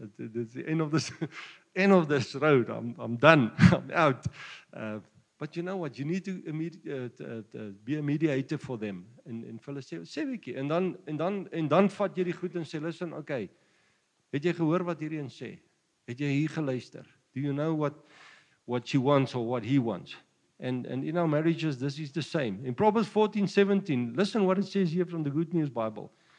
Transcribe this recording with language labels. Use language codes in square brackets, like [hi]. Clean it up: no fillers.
[en] It's the end of this road, I'm done, I'm out. But you know what, you need to be a mediator for them. [af] En vir hulle sê bietjie, en dan vat jy die goed en sê, [en] listen, okay, [af] het jy gehoor wat hierdie een sê? Het jy hier geluister? [en] Do you know what she wants or what he wants? And in our marriages, this is the same. In Proverbs 14:17, listen what it says here from the Good News Bible.